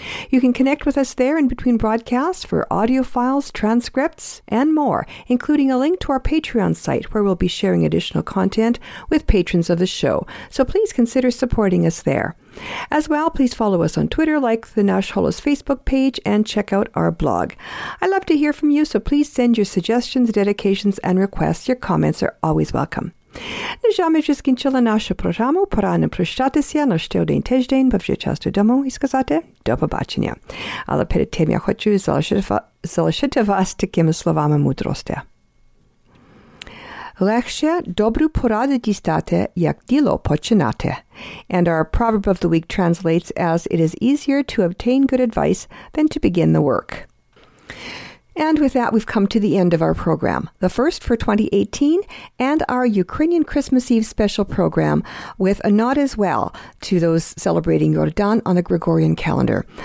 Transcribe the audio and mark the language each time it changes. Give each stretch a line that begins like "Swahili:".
English: You can connect with us there in between broadcasts for audio files, transcripts, and more, including a link to our Patreon site where we'll be sharing additional content with patrons of the show. So please consider supporting us there. As well, please follow us on Twitter, like the Nash Holos Facebook page, and check out our blog. I love to hear from you, so please send your suggestions, dedications, and requests. Your comments are always welcome.
Ukrainian: Нажами вже скінчила нашу програму. Пора не прощатися на ще один тиждень, бо вже час додому і сказати до побачення. Але перед тим я хочу залишити вас такими словами мудрості. Легше добру пораду дістати, як діло починати.
English: And our proverb of the week translates as, it is easier to obtain good advice than to begin the work. And with that, we've come to the end of our program, the first for 2018, and our Ukrainian Christmas Eve special program, with a nod as well to those celebrating Yordan on the Gregorian calendar.